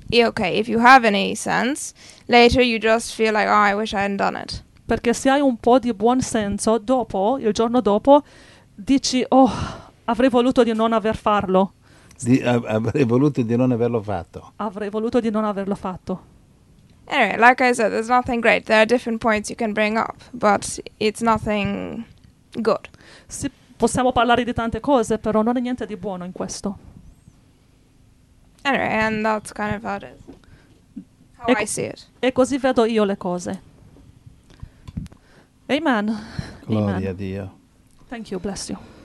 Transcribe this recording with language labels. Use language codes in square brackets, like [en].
[en] okay, if you have any sense, later you just feel like, oh, I wish I hadn't done it. [it] Perché se hai un po' di buon senso, dopo, il giorno dopo, dici, oh, avrei voluto di non aver farlo. Avrei voluto di non averlo fatto. [en] Anyway, like I said, there's nothing great. There are different points you can bring up, but it's nothing good. [it] Sì, possiamo parlare di tante cose, però non è niente di buono in questo. [en] Anyway, and that's kind of about it. How I see it. [it] E così vedo io le cose. Amen. Gloria a Dio. [en] Thank you, bless you.